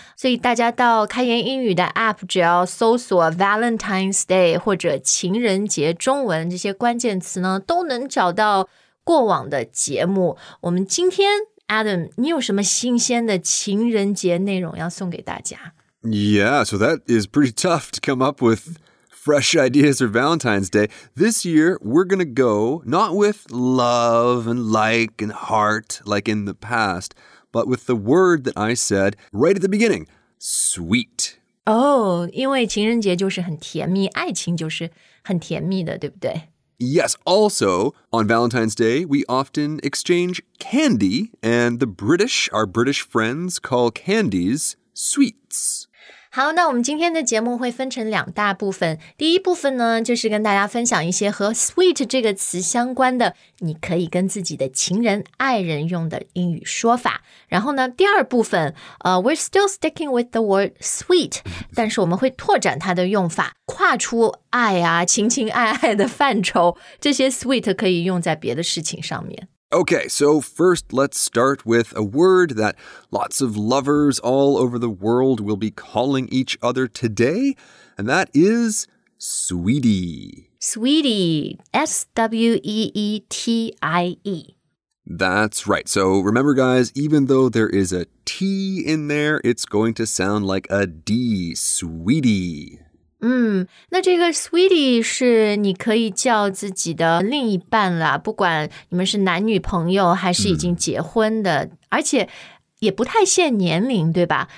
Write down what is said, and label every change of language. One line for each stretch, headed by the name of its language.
Chinese: 所以大家到开言英语的 APP 只要搜索 Valentine's Day 或者情人节中文这些关键词呢，都能找到过往的节目。我们今天 Adam, 你有什么新鲜的情人节内容要送给大家？
English: Yeah, so that is pretty tough to come up with fresh ideas for Valentine's Day. This year, we're going to go not with love and like and heart like in the past, but with the word that I said right at the beginning, sweet.
Chinese: Oh, 因为情人节就是很甜蜜，爱情就是很甜蜜的，对不对？
English: Yes, also, on Valentine's Day, we often exchange candy, and the British, our British friends, call candies sweets.
Chinese: 好，那我们今天的节目会分成两大部分。第一部分呢，就是跟大家分享一些和 sweet 这个词相关的，你可以跟自己的情人、爱人用的英语说法。然后呢，第二部分，
English: we're still sticking with the word sweet,
Chinese: 但是我们会拓展它的用法，跨出爱啊、情情爱爱的范畴，这些 sweet 可以用在别的事情上面。
English: Okay, so first let's start with a word that lots of lovers all over the world will be calling each other today, and that is sweetie. Sweetie, S-W-E-E-T-I-E. That's right. So remember, guys, even though there is a T in there, it's going to sound like a D, sweetie.
Chinese: 那这个 sweetie 是你可以叫自己的另一半啦，不管你们是男女朋友还是已经结婚的，而且也不太限年龄，对吧？